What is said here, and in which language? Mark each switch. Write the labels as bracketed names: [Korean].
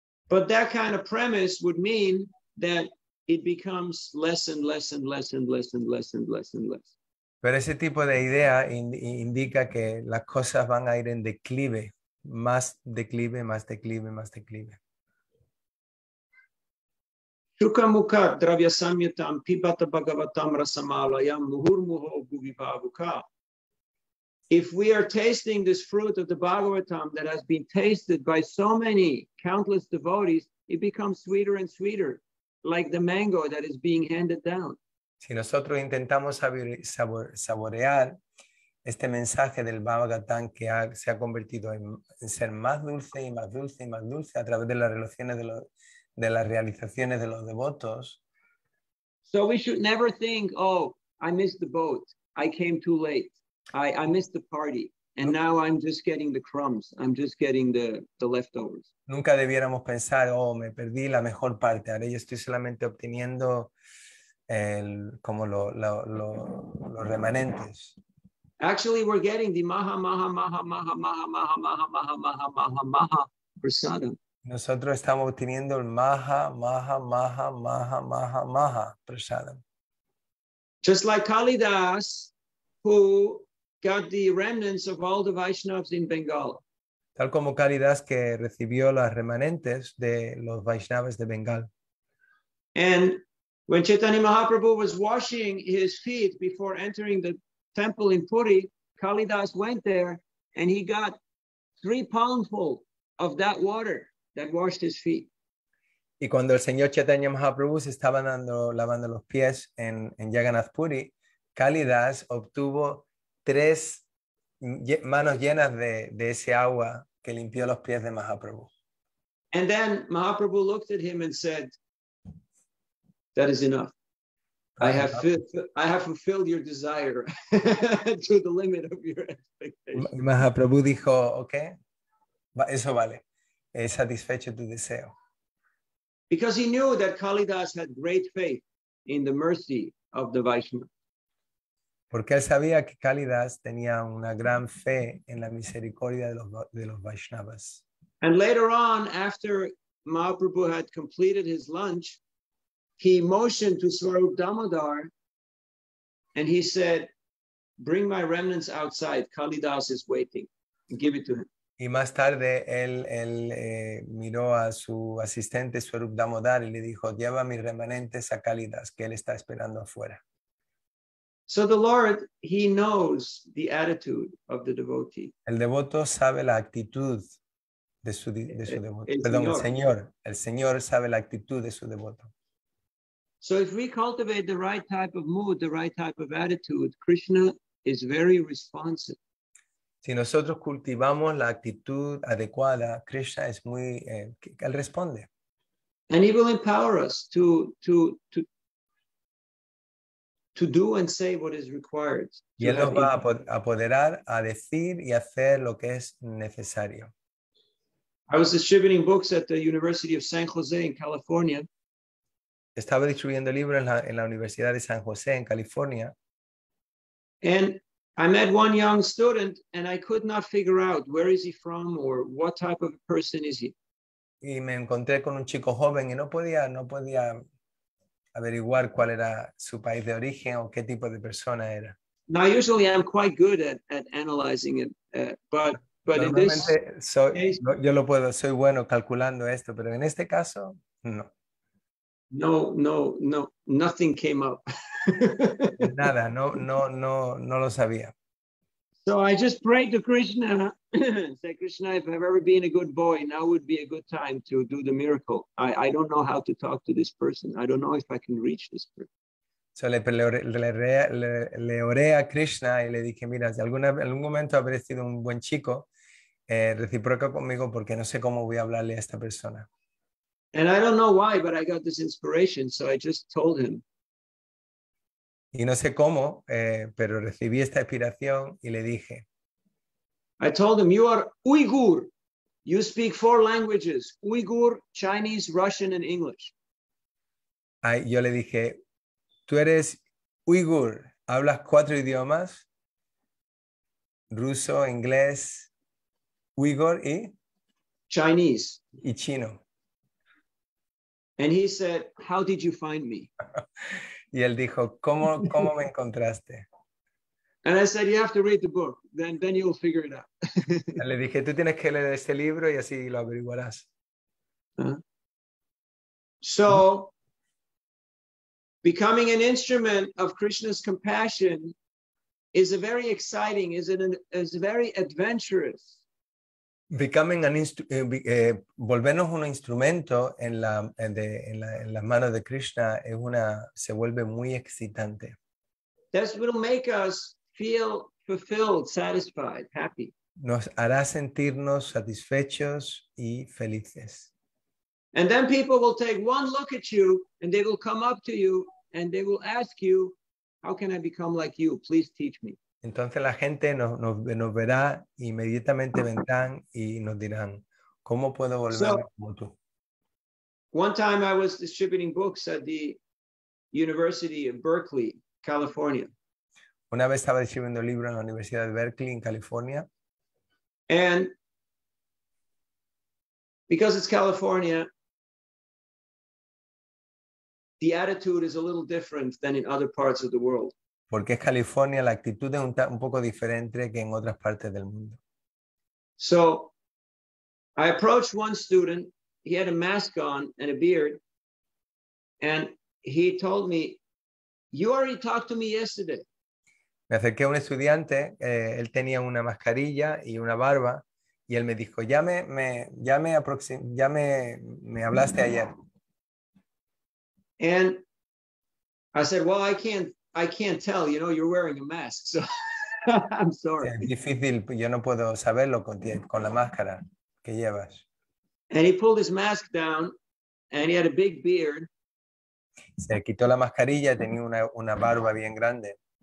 [English] But that kind of premise would mean that it becomes less and less and less and less and less and less and less. [Spanish] Pero ese tipo de idea indica que las cosas van a ir en declive, más declive, más declive, más declive. [Sanskrit] Shukamukha dravyasamyatam pibata bhagavatam rasamalayam muhur muho bhuvibhavukha. [English] If we are tasting this fruit of the Bhagavatam that has been tasted by so many countless devotees, it becomes sweeter and sweeter, like the mango that is being handed down. [Spanish] Si nosotros intentamos saborear este mensaje del Bhagavatam que se ha convertido en ser más dulce y más dulce y más dulce a través de las relaciones de las realizaciones de los devotos. [English] So we should never think, oh, I missed the boat. I came too late. I missed the party, and now I'm just getting the crumbs. I'm just getting the leftovers. [Spanish] Nunca debiéramos pensar, oh, me perdí la mejor parte. Ahora yo estoy solamente obteniendo los remanentes. [English] Actually, we're getting the maha maha maha maha maha maha maha maha maha maha maha prasadam. [Spanish] Nosotros estamos obteniendo el maha maha maha maha maha maha prasadam. [English] Just like Kalidas, who got the remnants of all the Vaishnavas in Bengal. [Spanish] Tal como Kalidas que recibió las remanentes de los Vaishnavas de Bengal. [English] And when Chaitanya Mahaprabhu was washing his feet before entering the temple in Puri, Kalidas went there and he got 3 palmful of that water that washed his feet. [Spanish] Y cuando el señor Chaitanya Mahaprabhu se estaba lavando los pies en Jagannath Puri, Kalidas obtuvo 3 manos llenas de ese agua que limpió los pies de Mahaprabhu. [English] And then Mahaprabhu looked at him and said, "That is enough. I have fulfilled your desire to the limit of your expectation." [Spanish] Mahaprabhu dijo, "Okay, eso vale. He satisfecho tu deseo." [English] Because he knew that Kalidas had great faith in the mercy of the Vaishnava. [Spanish] Porque él sabía que Kalidas tenía una gran fe en la misericordia de los Vaishnavas. [English] And later on, after Mahaprabhu had completed his lunch, he motioned to Swarup Damodar and he said, "Bring my remnants outside. Kalidas is waiting. Give it to him." [Spanish] Y más tarde, miró a su asistente Swarup Damodar y le dijo, "Lleva mis remanentes a Kalidas, que él está esperando afuera." [English] So the Lord, he knows the attitude of the devotee. [Spanish] El devoto sabe la actitud de su devoto. El Señor sabe la actitud de su devoto. [English] So if we cultivate the right type of mood, the right type of attitude, Krishna is very responsive. [Spanish] Si nosotros cultivamos la actitud adecuada, Krishna es muy, él responde. [English] And he will empower us to do and say what is required. [Spanish] Y él nos va a apoderar a decir y hacer lo que es necesario. [English] I was distributing books at the University of San Jose in California. [Spanish] Estaba distribuyendo libros en la Universidad de San José en California. [English] And I met one young student and I could not figure out where is he from or what type of person is he. [Spanish] Y me encontré con un chico joven y no podía averiguar cuál era su país de origen o qué tipo de persona era. [English] Now, usually I'm quite good at analyzing it, but in this case, [Spanish] yo lo puedo, soy bueno calculando esto, pero en este caso, no. [English] No, no, no, nothing came up. [Spanish] Nada, no lo sabía. [English] So I just prayed to Krishna, said, "Krishna, if I've ever been a good boy, now would be a good time to do the miracle. I don't know how to talk to this person. I don't know if I can reach this person." So [Spanish] le oré a Krishna y le dije, "Mira, si algún momento habré sido un buen chico, reciproca conmigo porque no sé cómo voy a hablarle a esta persona." [English] And I don't know why, but I got this inspiration, so I just told him. [Spanish] Y no sé cómo, pero recibí esta inspiración y le dije. [English] I told him, "You are Uyghur. You speak 4 languages, Uyghur, Chinese, Russian, and English." [Spanish] Yo le dije, "Tú eres Uyghur, hablas 4 idiomas, ruso, inglés, Uyghur y [English] Chinese [Spanish] y chino." [English] And he said, "How did you find me?" [Spanish] Y él dijo, ¿Cómo me encontraste? [English] And I said, "You have to read the book, then you'll figure it out." [Spanish] Le dije, tú tienes que leer este libro y así lo averiguarás. [English] So, becoming an instrument of Krishna's compassion is a very exciting, is very adventurous. Becoming an [Spanish] volvernos un instrumento en las manos de Krishna se vuelve muy excitante. [English] That will make us feel fulfilled, satisfied, happy. [Spanish] Nos hará sentirnos satisfechos y felices. [English] And then people will take one look at you and they will come up to you and they will ask you, "How can I become like you? Please teach me." [Spanish] Entonces la gente nos verá, inmediatamente vendrán y nos dirán, ¿cómo puedo volver como tú? [English] One time I was distributing books at the University of Berkeley, California. [Spanish] Una vez estaba distribuyendo libros en la Universidad de Berkeley, en California. [English] And because it's California, the attitude is a little different than in other parts of the world. [Spanish] Porque es California, la actitud es un poco diferente que en otras partes del mundo. [English] So, I approached one student. He had a mask on and a beard. And he told me, "You already talked to me yesterday." [Spanish] Me acerqué a un estudiante. Él tenía una mascarilla y una barba. Y él me dijo, ya me hablaste ayer. [English] And I said, "Well, I can't tell, you know, you're wearing a mask, so I'm sorry." [Spanish] Es difícil, yo no puedo saberlo con la máscara que llevas. [English] And he pulled his mask down, and he had a big beard. [Spanish] Se quitó la mascarilla, tenía una barba bien grande.